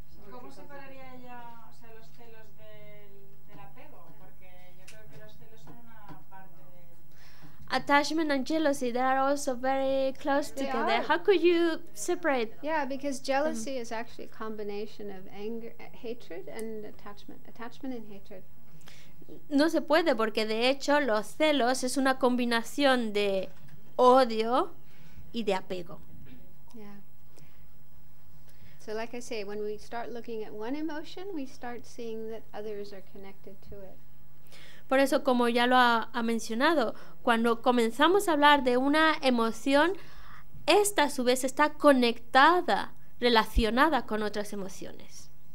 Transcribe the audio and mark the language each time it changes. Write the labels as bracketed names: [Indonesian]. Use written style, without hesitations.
[Spanish] ¿Cómo separaría ella, o sea, los celos del apego? Porque yo creo que los celos son una parte del... [English] Attachment and jealousy, they are also very close together. Are. How could you separate? Yeah, because jealousy is actually a combination of anger, hatred and attachment. Attachment and hatred. [Spanish] No se puede, porque de hecho los celos es una combinación de odio y de apego. [English] So like I say, when we start looking at one emotion, we start seeing that others are connected to it. [Spanish] Por eso, como ya lo ha mencionado, cuando comenzamos a hablar de una emoción, esta a su vez está conectada, relacionada con otras emociones.